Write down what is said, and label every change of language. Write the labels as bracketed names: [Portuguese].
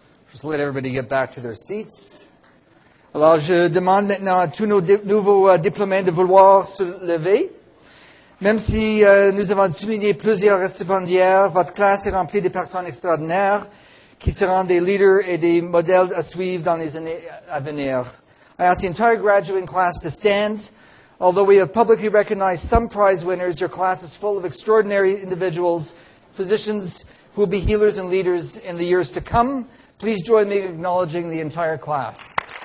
[English] Just let everybody get back to their seats. [French] Alors, je demande maintenant à tous nos nouveaux diplômés de vouloir se lever. Même si nous avons souligné plusieurs récipiendaires, votre classe est remplie de personnes extraordinaires qui seront des leaders et des modèles à suivre dans les années à venir. [English] I ask the entire graduating class to stand. Although we have publicly recognized some prize winners, your class is full of extraordinary individuals, physicians who will be healers and leaders in the years to come. Please join me in acknowledging the entire class.